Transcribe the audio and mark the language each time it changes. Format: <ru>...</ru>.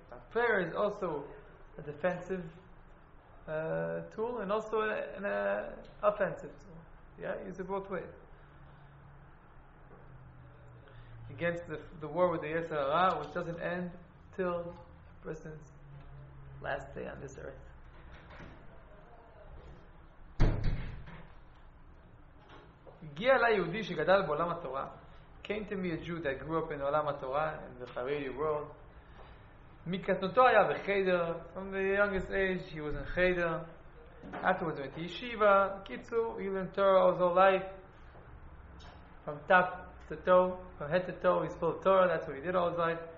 <en>Prayer is also a defensive tool and also an offensive tool. Yeah, use it both ways. Against the war with the Yetzer Hara, which doesn't end till a person's last day on this earth.</en> <he>הגיע אליי יהודי שגדל בעולם התורה.</he> <en>Came to me a Jew that grew up in עולם התורה, in the Haredi world.</en> <he>מקטנותו היה בחדר.</he> <en>From the youngest age, he was in Cheder. Afterwards, went to Yeshiva. Kitzur, he learned Torah all his life. From top to toe, from head to toe, he's full of Torah. That's what he did all his life.</en>